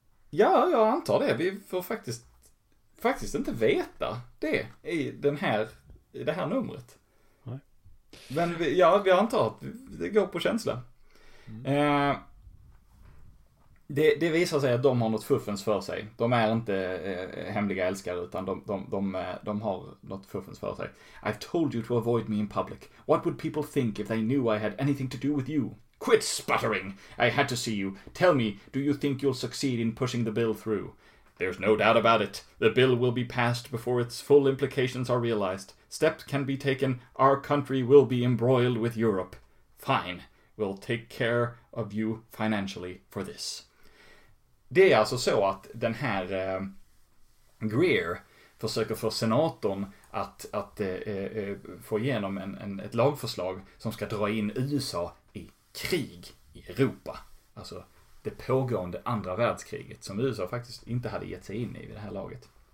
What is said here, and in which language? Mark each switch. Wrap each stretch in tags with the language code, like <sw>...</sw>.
<sv>Ja, jag antar det. Vi får faktiskt inte veta det i det här numret. Nej. Men vi antar att det går på känsla. Mm. Det visar sig att de har något fuffens för sig. De är inte hemliga älskare, utan de har något fuffens för sig.</sv> <en>I've told you to avoid me in public. What would people think if they knew I had anything to do with you? Quit sputtering. I had to see you. Tell me, do you think you'll succeed in pushing the bill through? There's no doubt about it. The bill will be passed before its full implications are realized. Steps can be taken. Our country will be embroiled with Europe. Fine. We'll take care of you financially for this.</en> <sv>Det är alltså så att den här Greer försöker få senatorn att få igenom ett lagförslag som ska dra in USA krig i Europa. Alltså det pågående andra världskriget som USA faktiskt inte hade gett sig in i vid det här laget.</sv>